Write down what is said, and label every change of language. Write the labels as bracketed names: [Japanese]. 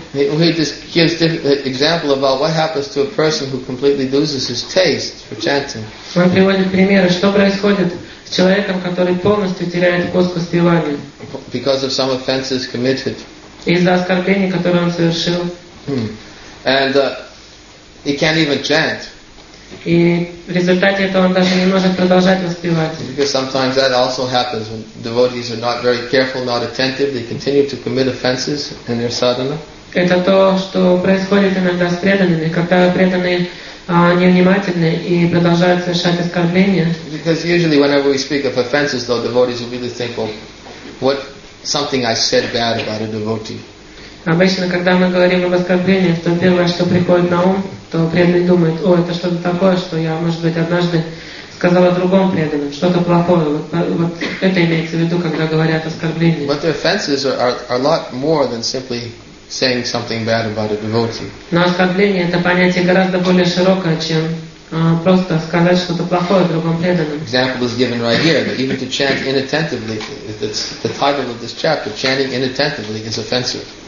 [English] He just gives an example about what happens to a person who completely loses his taste for chanting. [Russian] Он приводит примеры, что происходит с человеком, который полностью теряет вкус к воспеванию. [English] Because of some offenses committed. [Russian] Из-за оскорблений, которые он совершил. [English] And he can't even chant. [Russian] И в результате этого он даже не может продолжать воспевать. [English] Because sometimes that also happens when devotees are not very careful, not attentive. They continue to commit offenses in their sadhana. [Russian] Это то, что происходит иногда с преданными, когда преданные невнимательны и продолжают совершать оскорбления. [English] Because usually whenever we speak of offenses, though, devotees will really think, well, what something I said bad about a devotee. [Russian] Обычно, когда мы говорим об оскорблениях, то первое, что приходит на ум, то преданный думает, о, это что-то такое, что я, может быть, однажды сказал о другом преданном, что-то плохое. Вот это имеется в виду, когда говорят оскорбления. [English] But the offenses are a lot more than simply saying something bad about a devotee. [Russian] Но оскорбление — это понятие гораздо более широкое, чем просто сказать что-то плохое о другом преданном. [English] Example is given right here, that even to chant inattentively, that's the title of this chapter, chanting inattentively is offensive.